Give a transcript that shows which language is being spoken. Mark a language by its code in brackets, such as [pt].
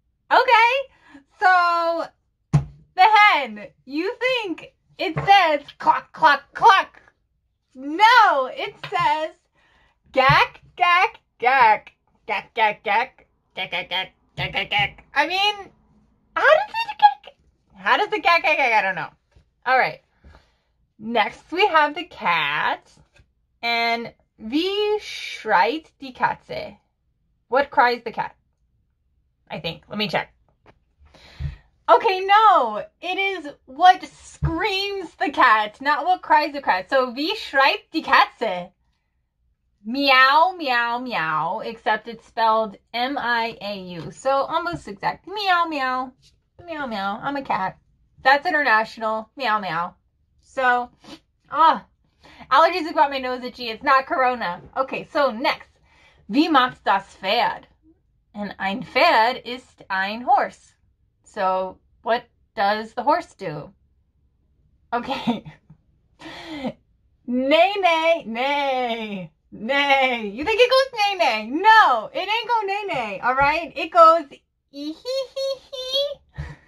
[en] Okay, so hen, you think it says clock, clock, clock. No, it says gack, gack, gack, gack, gack, gack, gack, gack, gack, gack, gack, gack. I mean, how does the gack, gack, gack? I don't know. All right. Next, we have the cat. And [de] wie schreit die Katze? [en] What cries the cat? I think. Let me check. Okay, no, it is what screams the cat, not what cries the cat. [de] So, wie schreit die Katze? [en] Meow, meow, meow, except it's spelled MIAU. So, almost exact. Meow, meow, meow, meow. I'm a cat. That's international. Meow, meow. So, allergies about my nose itchy. It's not corona. Okay, so next. [de] Wie macht das Pferd? And ein Pferd ist ein horse. [en] So, what does the horse do? Okay. Nay, nay, nay, nay. You think it goes nay, nay? No, it ain't go nay, nay. All right, it goes ee hee hee hee.